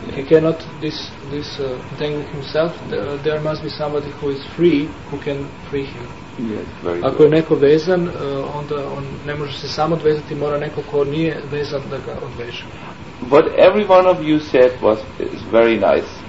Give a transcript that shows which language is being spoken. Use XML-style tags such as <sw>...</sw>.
<en>he cannot this entangle himself. There must be somebody who is free who can free him. Yes, very</en> <sr>Ako</sr> <en>good.</en> <sr>Je neko vezan, onda on ne može se sam odvezati, mora neko ko nije vezan da ga odveže.</sr> <en>What every one of you said was is very nice.</en>